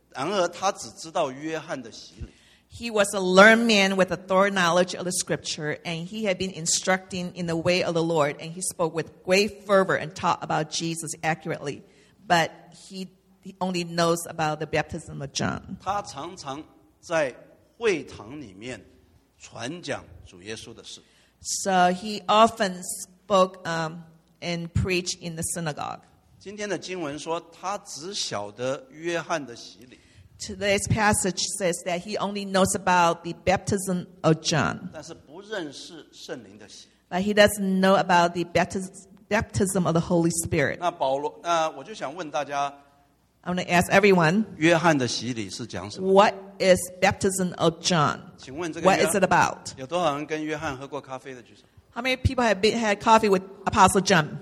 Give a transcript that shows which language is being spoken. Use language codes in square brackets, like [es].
[zh] 已经在主的道受了教训，心中火热，把神的话传给人。然而他只知道约翰的洗礼。 [en] He was a learned man with a thorough knowledge of the scripture, and he had been instructing in the way of the Lord, and he spoke with great fervor and taught about Jesus accurately, but he only knows about the baptism of John. [zh] 他常常在会堂里面传讲主耶稣的事。 [en] So he often spoke and preach in the synagogue. [zh] 今天的经文说他只晓得约翰的洗礼。 [en] Today's passage says that he only knows about the baptism of John. [zh] 但是不认识圣灵的洗礼。 [en] But he doesn't know about the baptism of the Holy Spirit. [zh] 那保罗，我就想问大家， [en] I want to ask everyone, [zh] 约翰的洗礼是讲什么？ [en] What is baptism of John? [zh] 请问这个约翰， [en] What is it about? [zh] 有多少人跟约翰喝过咖啡的举手？ [en] How many people have had coffee with Apostle John?